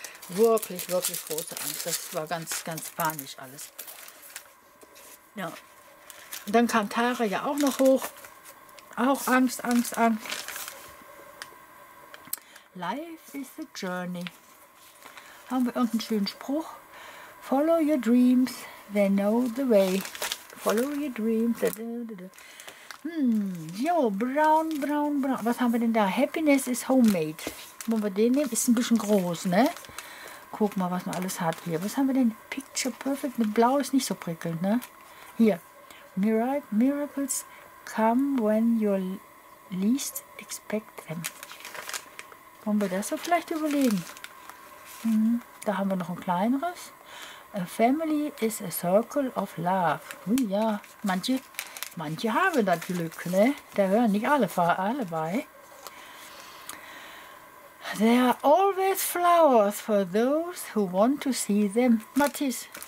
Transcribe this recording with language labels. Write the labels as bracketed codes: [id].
[de] Wirklich, wirklich große Angst. Das war ganz, ganz panisch alles. Ja. Und dann kam Tara ja auch noch hoch. Auch Angst, Angst, Angst. Life is a journey. Haben wir irgendeinen schönen Spruch? [en] Follow your dreams, they know the way. Follow your dreams. [de] Jo, braun, braun, braun. Was haben wir denn da? Happiness is homemade. Wollen wir den nehmen? Ist ein bisschen groß, ne? Guck mal, was man alles hat hier. Was haben wir denn? Picture perfect. Mit Blau ist nicht so prickelnd, ne? Hier. [en] Miracles come when you least expect them. [de] Wollen wir das so vielleicht überlegen? Da haben wir noch ein kleineres. [en] A family is a circle of love. [de] Ui, ja, manche haben das Glück, ne? Da hören nicht alle bei. [en] There are always flowers for those who want to see them. Matthias.